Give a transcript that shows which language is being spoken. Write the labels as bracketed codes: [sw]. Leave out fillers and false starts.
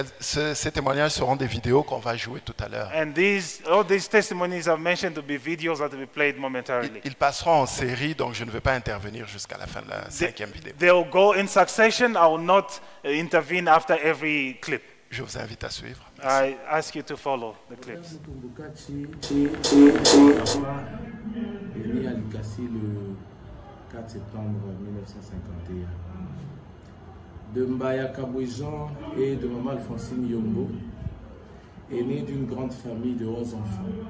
[fr] Ces témoignages seront des vidéos qu'on va jouer tout à l'heure. [en] And all these testimonies I've mentioned to be videos that will be played momentarily. [fr] Ils passeront en série, donc je ne vais pas intervenir jusqu'à la fin de la cinquième vidéo. [en] They will go in succession. I will not intervene after every clip. [fr] Je vous invite à suivre. Merci. [en] I ask you to follow the clips. [fr] Je suis né à Likasi le 4 septembre 1951. De Mbaya Kabouizan et de maman Alphonsine Yombo, aîné d'une grande famille de 11 enfants.